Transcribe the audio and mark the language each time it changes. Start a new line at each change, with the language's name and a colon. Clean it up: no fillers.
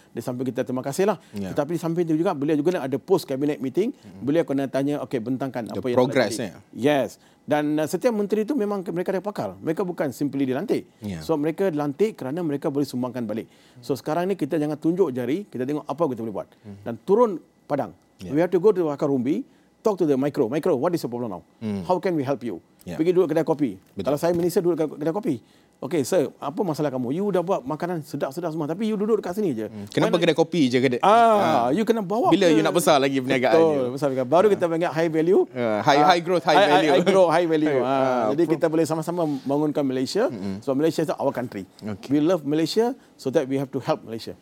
Malay: Di samping kita terima kasih lah. Tetapi di samping itu juga, beliau juga ada post cabinet meeting. Beliau kena tanya, okay, bentangkan the apa yang progress. Yes. Dan setiap menteri itu memang mereka ada pakar. Mereka bukan simply dilantik. So mereka dilantik kerana mereka boleh sumbangkan balik. So sekarang ni kita jangan tunjuk jari, kita tengok apa kita boleh buat. Dan turun padang.
English: We have to go to the
Malay: akar umbi,
English: talk to the micro. Micro, what is the problem now? How can we help you?
Malay: Pergi duduk kedai kopi. Betul. Kalau saya minister, duduk kedai kopi.
English: Okay, sir,
Malay: apa masalah kamu? You dah buat makanan sedap-sedap semua, tapi you duduk dekat sini je. Kenapa kedai kopi je? You kena bawa. Bila you nak besar lagi perniagaan you? Baru kita panggil
English: high value. High growth, high value. High growth, high value.
Malay: Jadi kita boleh sama-sama bangunkan Malaysia. Sebab
English: Malaysia is our country. Okay. We love Malaysia, so that we have to help Malaysia.